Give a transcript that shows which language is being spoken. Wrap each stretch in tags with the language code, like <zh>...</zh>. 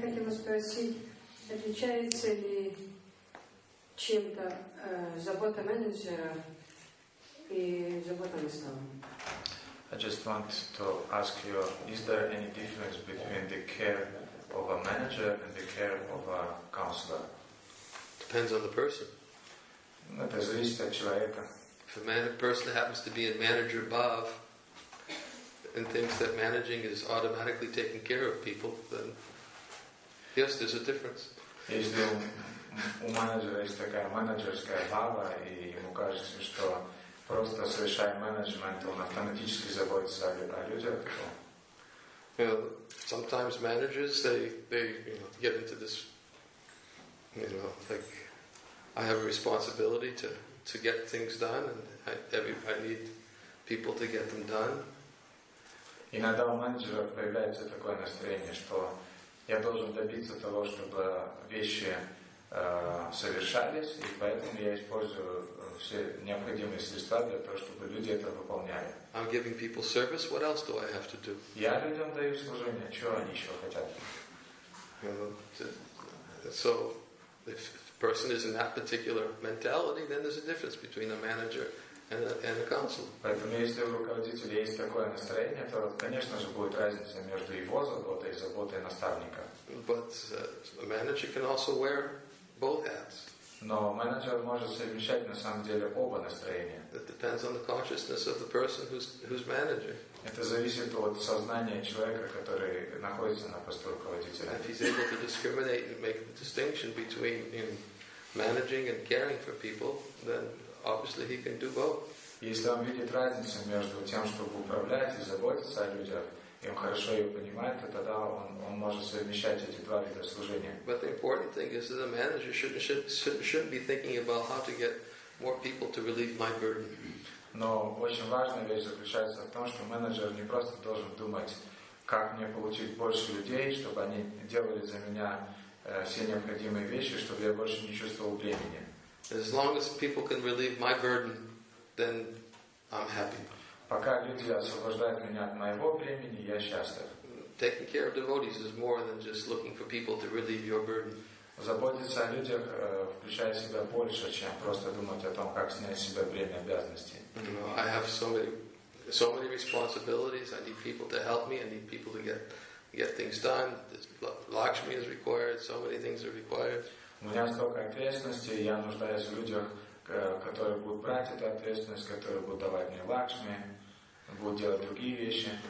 <ru>Спросить, отличается ли чем-то забота менеджера и забота наставника?</ru> <en>I just want to ask you, is there any difference between the care of a manager and the care of a counselor? Depends on the person.</en> <ru>Это зависит от человека.</ru> <en>If a person happens to be a manager above and thinks that managing is automatically taking care of people, then yes, there's a difference.</en> <ru>Если у менеджера есть такая менеджерская баба, и ему кажется, что просто совершая менеджмент, он автоматически заботится о людях, то...</ru> <en>Well, sometimes managers, they you know, get into this, you know, like, I have a responsibility to get things done, and I need people to get them done.</en> <ru>Иногда у менеджера появляется такое настроение, что я должен добиться того, чтобы вещи совершались, и поэтому я использую все необходимые средства для того, чтобы люди это выполняли.</ru> <en>I'm giving people service. What else do I have to do?</en> <ru>Я людям даю служение. Чего они еще хотят?</ru> <en>So, if a person is in that particular mentality, then there's a difference between a manager and a counselor.</en> <ru>Поэтому, если у руководителя есть такое настроение, то, конечно же, будет разница между его заботой и заботой наставника.</ru> <en>But a manager can also wear both hats.</en> <ru>Но менеджер может совмещать на самом деле оба настроения.</ru> <en>It depends on the consciousness of the person who's managing.</en> <ru>Это зависит от сознания человека, который находится на посту руководителя.</ru> <en>And if he's able to discriminate and make the distinction between managing and caring for people, then obviously he can do both.</en> <ru>Если он видит разницу между тем, чтобы управлять и заботиться о людях, и он хорошо ее понимает, то тогда он может совмещать эти два вида служения.</ru> <en>But the important thing is that the manager shouldn't be thinking about how to get more people to relieve my burden.</en> <ru>Но очень важная вещь заключается в том, что менеджер не просто должен думать, как мне получить больше людей, чтобы они делали за меня все необходимые вещи, чтобы я больше не чувствовал бремени.</ru> <en>As long as people can relieve my burden, then I'm happy.</en> <ru>Пока люди освобождают меня от моего бремени, я счастлив.</ru> <en>Taking care of devotees is more than just looking for people to relieve your burden.</en> <ru>Заботиться о людях включает в себя больше, чем просто думать о том, как снять с себя бремя обязанностей.</ru> <en>I have so many responsibilities. I need people to help me. I need people to get things done. Lakshmi is required. So many things are required.</en> <ru>У меня столько ответственности, я нуждаюсь в людях, которые будут брать эту ответственность, которые будут давать мне лакшми, будут делать другие вещи.</ru>